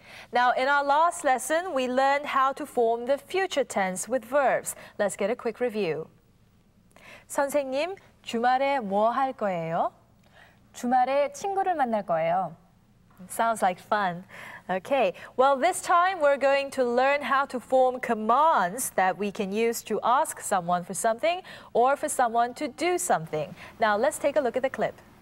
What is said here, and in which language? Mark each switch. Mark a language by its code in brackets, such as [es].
[en] Now, in our last lesson, we learned how to form the future tense with verbs. Let's get a quick review. [ko] 선생님, 주말에 뭐 할 거예요? 주말에 친구를 만날 거예요. [en] Sounds like fun. Okay, well, this time we're going to learn how to form commands that we can use to ask someone for something or for someone to do something. Now, let's take a look at the clip.